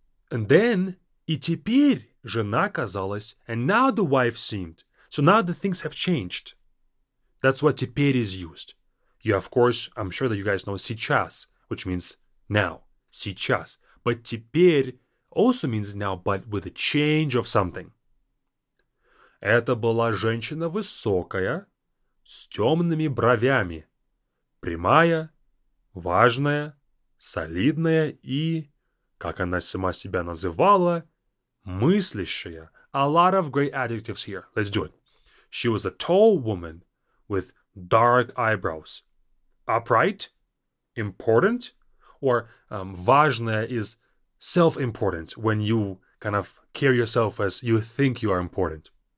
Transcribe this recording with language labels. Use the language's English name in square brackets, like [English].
[English] And then, [Russian] и теперь жена казалась, [English] and now the wife seemed. So now the things have changed. That's what теперь is used. You, of course, I'm sure that you guys know сейчас, which means now. [Russian] Сейчас. [English] But теперь also means now, but with a change of something. [Russian] Это была женщина высокая, с темными бровями, прямая, важная, солидная и... как она сама себя называла, мыслящая. [English] A lot of great adjectives here. Let's do it. She was a tall woman with dark eyebrows. Upright, important, or важная is self-important, when you kind of carry yourself as you think you are important.